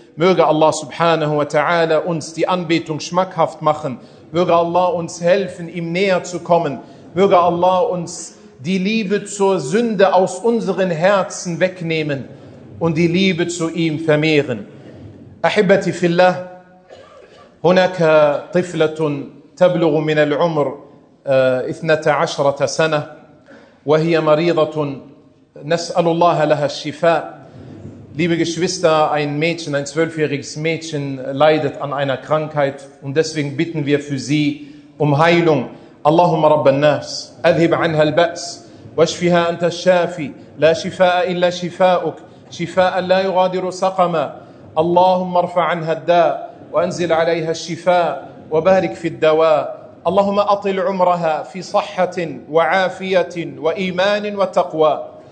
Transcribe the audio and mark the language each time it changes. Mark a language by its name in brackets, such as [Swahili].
[German] Möge Allah subhanahu wa ta'ala uns die Anbetung schmackhaft machen. Möge Allah uns helfen, ihm näher zu kommen. Möge Allah uns die Liebe zur Sünde aus unseren Herzen wegnehmen und die Liebe zu ihm vermehren. [Arabic] أحبتي في الله هناك طفلة تبلغ من العمر 12 سنة وهي مريضة نسأل الله لها الشفاء. [German] Liebe Geschwister, ein Mädchen, ein 12-jähriges Mädchen leidet an einer Krankheit und deswegen bitten wir für sie um Heilung. [Arabic] اللهم رب الناس أذهب عنها البأس واشفها أنت الشافي لا شفاء إلا شفاءك شفاء لا يغادر سقما. اللهم ارفع عنها الداء وأنزل عليها الشفاء وبارك في الدواء. اللهم أطل عمرها في صحة وعافية وإيمان وتقوى.